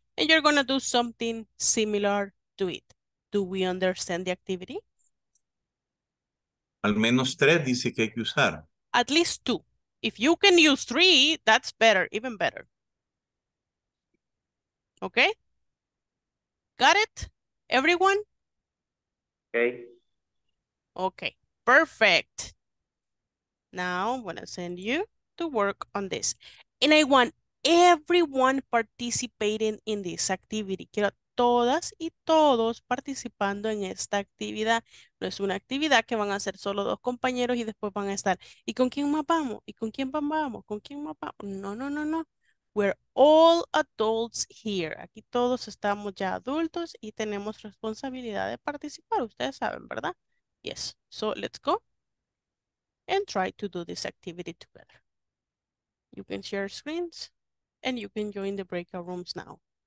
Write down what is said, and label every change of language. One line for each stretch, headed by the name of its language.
English: And you're gonna do something similar to it. Do we understand the activity?
Spanish: Al menos tres dice que hay que usar.
English: At least two. If you can use three, that's better, even better. Okay? Got it, everyone? Okay. Okay, perfect. Now I'm gonna send you to work on this. And I want everyone participating in this activity.
Spanish: Quiero todas y todos participando en esta actividad. No es una actividad que van a hacer solo dos compañeros y después van a estar, ¿y con quién más vamos? ¿Y con quién vamos? ¿Con quién más vamos? No, no, no, no.
English: We're all adults here.
Spanish: Aquí todos estamos ya adultos y tenemos responsabilidad de participar. Ustedes saben, ¿verdad? Yes.
English: So let's go and try to do this activity together. You can share screens and you can join the breakout rooms now.